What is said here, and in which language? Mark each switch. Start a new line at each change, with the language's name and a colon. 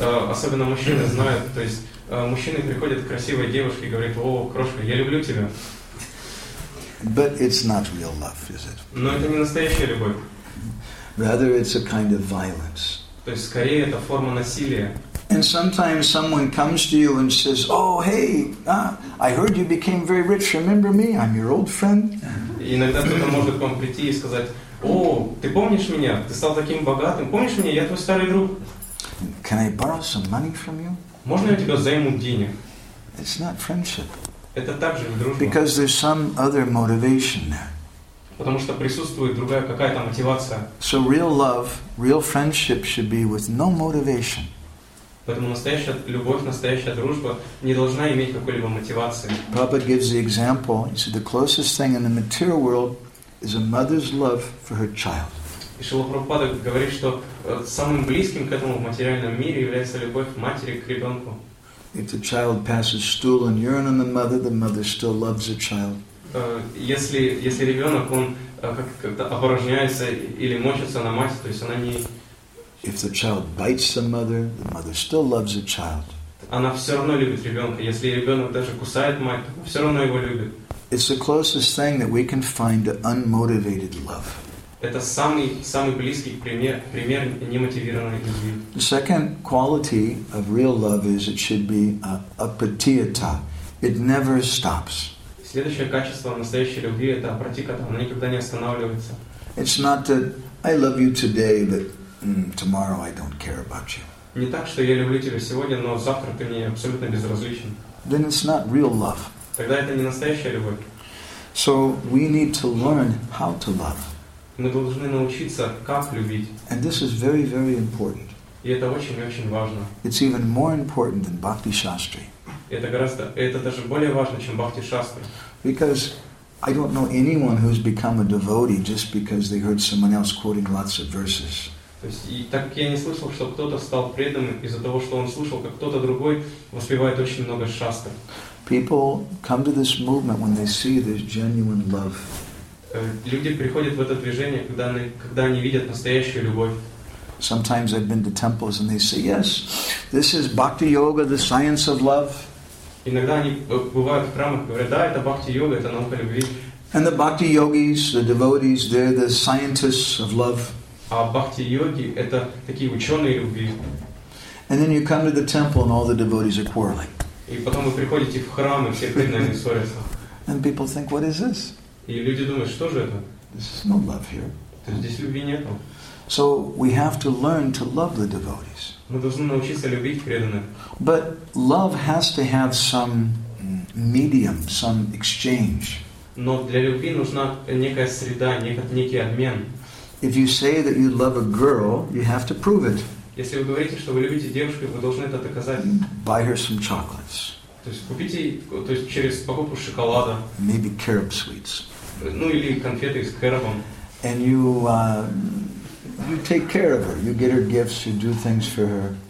Russian: Особенно мужчины знают, то есть мужчины приходят к красивой девушке и говорят, о, крошка, я люблю тебя.
English: But it's not real love, is it?
Russian: Но это не настоящая любовь.
English: Rather, it's a kind of violence.
Russian: То есть скорее это форма насилия.
English: And sometimes someone comes to you and says, oh, hey, I heard you became very rich, remember me, I'm your old friend.
Russian: Иногда кто-то может к вам прийти и сказать, о, ты помнишь меня, ты стал таким богатым, помнишь меня, я твой старый друг.
English: Can I borrow some money from you?
Russian: Можно я тебя займу денег?
English: It's not friendship.
Russian: Это также не дружба.
English: Because there's some other motivation there.
Russian: Потому что присутствует другая какая-то мотивация.
English: So real love, real friendship should be with no motivation.
Russian: Поэтому настоящая любовь, настоящая дружба не должна иметь какой-либо мотивации.
English: Prabhupada gives the example. He said the closest thing in the material world is a mother's love for her child.
Russian: И Шрила Прабхупада говорит, что самым близким к этому в материальном мире является любовь матери к ребенку.
English: If the child passes stool and urine on the mother still loves the child.
Russian: Если ребенок, он как-то опорожняется или мочится на мать, то есть она не...
English: If the child bites the mother still loves the child.
Russian: Она все равно любит ребенка. Если ребенок даже кусает мать, то все равно его любит.
English: It's the closest thing that we can find to unmotivated love.
Russian: Это самый близкий пример немотивированной любви.
English: The second quality of real love is it should be apratiyata. It never stops.
Russian: Следующее качество настоящей любви — это апратиката. Она никогда не останавливается.
English: It's not that I love you today, but tomorrow I don't care about you.
Russian: Не так, что я люблю тебя сегодня, но завтра ты мне абсолютно безразличен.
English: Then it's not real love.
Russian: Тогда это не настоящая любовь.
English: So we need to learn how to love.
Russian: Мы должны научиться, как любить.
English: And this is very, very important.
Russian: И это очень и очень важно.
English: It's even more important than Bhakti Shastri.
Russian: Это гораздо, это даже более важно, чем Бхакти Шастри.
English: Because I don't know anyone who's become a devotee just because they heard someone else quoting lots of verses.
Russian: То есть, и так как я не слышал, что кто-то стал преданным из-за того, что он слышал, как кто-то другой воспевает очень много шастр.
English: People come to this movement when they see this genuine love.
Russian: Люди приходят в это движение, когда они видят настоящую любовь.
English: Sometimes I've been to temples and they say, "Yes, this is Bhakti Yoga, the science of love."
Russian: Иногда они бывают в храмах и говорят, да, это Бхакти Йога, это наука любви.
English: And the Bhakti Yogis, the devotees, they're the scientists of love.
Russian: А Бхакти Йоги это такие ученые любви.
English: And then you come to the temple and all the devotees are quarreling.
Russian: И потом вы приходите в храм и все преданные ссорятся.
English: And people think, what is this?
Russian: И люди думают, что же это?
English: This is no love here.
Russian: То есть здесь любви нету.
English: So we have to learn to love the devotees.
Russian: Мы должны научиться любить преданных.
English: But love has to have some medium, some exchange.
Russian: Но для любви нужна некая среда, некий обмен.
English: If you say that you love a girl, you have to prove it.
Russian: Если вы говорите, что вы любите девушку, вы должны это доказать.
English: Buy her some chocolates.
Russian: То есть купите, то есть через покупку шоколада.
English: Maybe carob sweets.
Russian: Ну или конфеты с карабом.
English: And you you take care of her. You get her gifts. You do things for her.